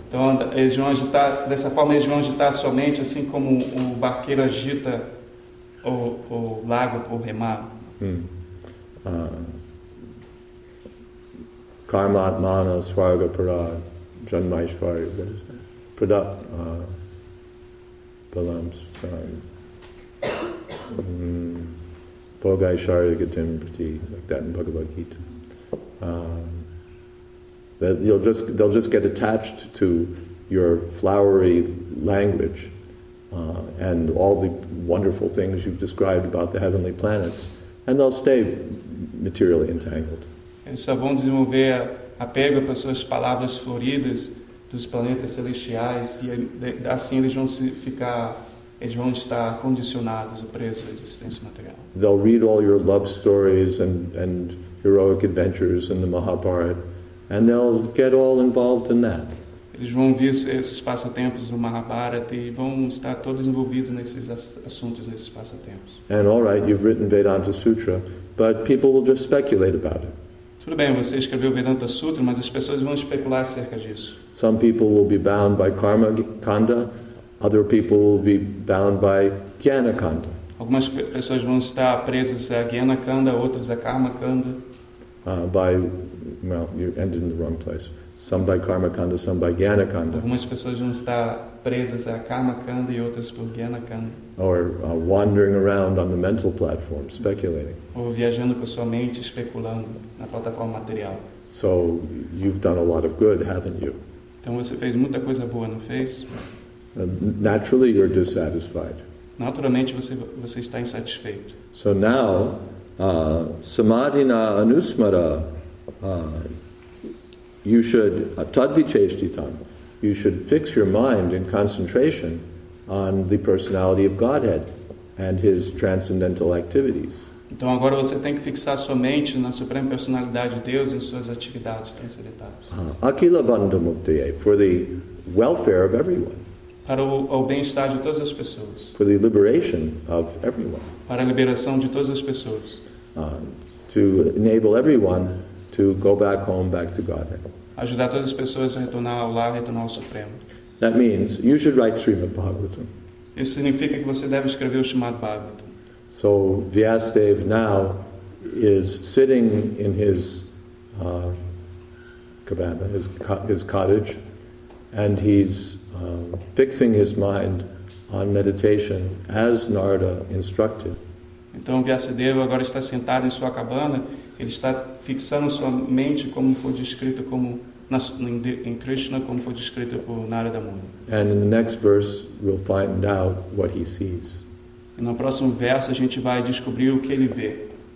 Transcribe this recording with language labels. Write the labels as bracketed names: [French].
[Portuguese] Então eles vão agitar dessa forma, eles vão agitar sua mente assim como um barqueiro agita o lago por remar. [Sanskrit] Karma, mana, swarga, para, janmaishvari, [English] what is that? [Sanskrit] Prada, balams, [English] sorry. [Sanskrit] Bhogai Sharya Gatim Priti, [English] like that in Bhagavad Gita. They'll just get attached to your flowery language and all the wonderful things you've described about the heavenly planets, and they'll stay materially entangled. [Portuguese] Eles só vão desenvolver apego para suas palavras floridas dos planetas celestiais, e assim eles vão ficar eles vão estar condicionados ou presos à existência material. [English] They'll read all your love stories and heroic adventures in the Mahabharata, and they'll get all involved in that. [Portuguese] Eles vão ver esses passatempos do Mahabharata e vão estar todos envolvidos nesses assuntos, nesses passatempos. [English] And all right, you've written Vedanta Sutra, but people will just speculate about it. [Portuguese] Tudo bem, você escreveu Vedanta Sutra, mas as pessoas vão especular acerca disso. [English] Some people will be bound by karma kanda, other people will be bound by jnana kanda. [Portuguese] Algumas pessoas vão estar presas a jnana kanda, outras a karma kanda. [English] You ended in the wrong place. Some by karma kanda, some by jnana kanda. [Portuguese] Algumas pessoas vão estar presas a karma kanda e outras por jnana kanda. [English] Or wandering around on the mental platform, speculating. [Portuguese] Ou viajando com sua mente, especulando na plataforma material. [English] So you've done a lot of good, haven't you? [Portuguese] Então você fez muita coisa boa, não fez? [English] Naturally, you're dissatisfied. [Portuguese] Naturalmente, você está insatisfeito. [Sanskrit] So now, samadhina anusmara. [English] You should tadvicheshtitam. You should fix your mind in concentration on the personality of Godhead and his transcendental activities. [Portuguese] Então agora você tem que fixar sua mente na suprema personalidade de Deus e suas atividades transcendentais. [Sanskrit] Akila bandhamukteye, [English] for the welfare of everyone. [Portuguese] Para o bem-estar de todas as pessoas. [English] For the liberation of everyone. [Portuguese] Para a liberação de todas as pessoas. [English] To enable everyone to go back home, back to Godhead. [Portuguese] Ajudar todas as pessoas a retornar ao lar, retornar ao Supremo. [English] That means you should write Srimad Bhagavatam. [Portuguese] Isso significa que você deve escrever o Srimad Bhagavatam. [English] So Vyasadev now is sitting in his cabana, his cottage, and he's fixing his mind on meditation as Narada instructed. [Portuguese] Então Vyasadeva agora está sentado em sua cabana, ele está fixando sua mente como foi descrito em Krishna, como foi descrito por Narada Muni. [English] And in the next verse we'll find out what he sees. [Portuguese] E no próximo verso a gente vai descobrir o que ele vê.